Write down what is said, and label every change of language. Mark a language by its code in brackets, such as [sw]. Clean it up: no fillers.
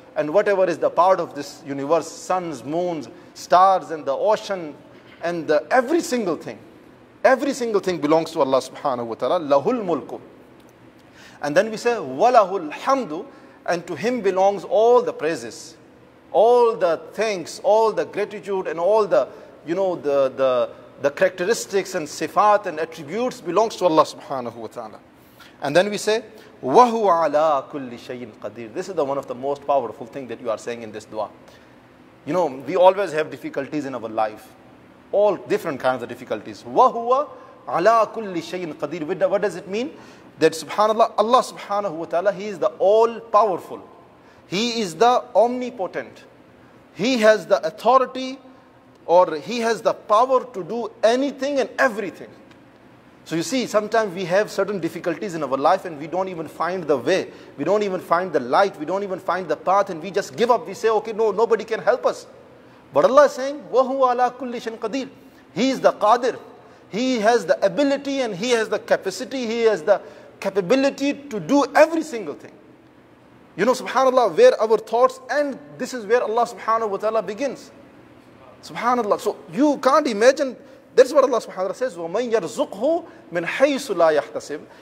[en] And whatever is the part of this universe, suns, moons, stars and the ocean and the every single thing belongs to Allah subhanahu wa ta'ala. [ar] Lahul mulku. [en] And then we say, [ar] walahul hamdu, [en] and to him belongs all the praises, all the thanks, all the gratitude and all the, you know, the characteristics and sifat and attributes belongs to Allah subhanahu wa ta'ala. And then we say, [ar] وَهُوَ عَلَىٰ كُلِّ شَيْءٍ قَدِيرٍ. [en] This is the one of the most powerful thing that you are saying in this dua. You know, we always have difficulties in our life. All different kinds of difficulties. [ar] وَهُوَ عَلَىٰ كُلِّ شَيْءٍ قَدِيرٍ. [en] What does it mean? That subhanAllah, Allah subhanahu wa ta'ala, he is the all-powerful. He is the omnipotent. He has the authority, or he has the power to do anything and everything. So you see, sometimes we have certain difficulties in our life and we don't even find the way. We don't even find the light. We don't even find the path and we just give up. We say, okay, no, nobody can help us. But Allah is saying, [ar] وَهُوَ عَلَىٰ كُلِّ شَيْءٍ قَدِيرٍ. [en] He is the Qadir. He has the ability and he has the capacity. He has the capability to do every single thing. You know, subhanAllah, where our thoughts end, this is where Allah subhanahu wa ta'ala begins. Subhanallah. So you can't imagine. That's what Allah subhanahu wa ta'ala says, [ar] وَمَنْ يَرْزُقْهُ مِنْ حَيْسُ لَا يَحْتَسِبْ.